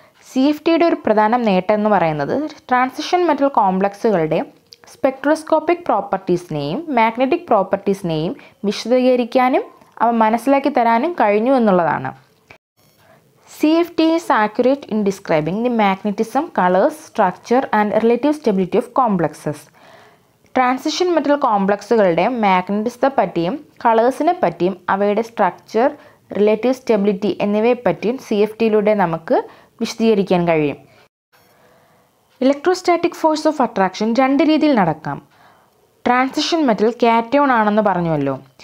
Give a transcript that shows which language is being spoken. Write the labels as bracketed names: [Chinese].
[Malayalam] CFT ഒരു പ്രധാന നേട്ടം എന്ന് പറയുന്നത് ട്രാൻസിഷൻ മെറ്റൽ കോംപ്ലക്സുകളുടെ സ്പെക്ട്രോസ്കോപ്പിക് പ്രോപ്പർട്ടീസിനെയും മാഗ്നറ്റിക് പ്രോപ്പർട്ടീസിനെയും വിശദീകരിക്കാനും അവ മനസ്സിലാക്കി തരാനും കഴിഞ്ഞു എന്നുള്ളതാണ്. [English] CFT is accurate in describing the magnetism, colors, structure and relative stability of complexes. [Malayalam] Transition metal കോംപ്ലക്സുകളുടെ മാഗ്നറ്റിസത്തെ പറ്റിയും കളേഴ്സിനെ പറ്റിയും അവയുടെ സ്ട്രക്ചർ റിലേറ്റീവ് സ്റ്റെബിലിറ്റി എന്നിവയെ പറ്റിയും CFT നമുക്ക് വിശദീകരിക്കാൻ കഴിയും. ഇലക്ട്രോസ്റ്റാറ്റിക് ഫോഴ്സ് ഓഫ് അട്രാക്ഷൻ രണ്ട് രീതിയിൽ നടക്കാം. ട്രാൻസിഷൻ മെറ്റൽ കാറ്റയോൺ ആണെന്ന് പറഞ്ഞുവല്ലോ.